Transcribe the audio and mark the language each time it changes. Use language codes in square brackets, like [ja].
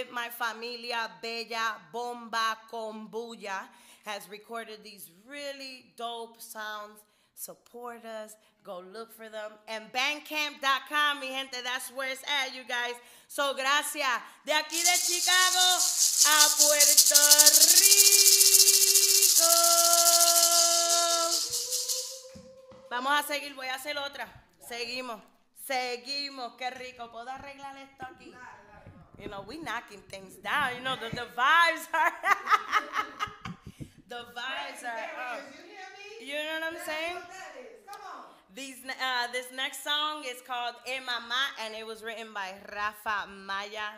[en] Familia Bella Bomba Combuya has recorded these really dope sounds. Support us. Go look for them. And Bandcamp.com, mi gente, that's where it's at, you guys. So, gracias. [es] De aquí de Chicago a Puerto Rico. Vamos a seguir. Voy a hacer otra. Seguimos. Seguimos, qué rico. ¿Puedo arreglar esto aquí? [en] You know, we knocking things down. You know, the vibes are... the vibes are... You know what I'm saying? This next song is called E Mama, and it was written by Rafa Maya.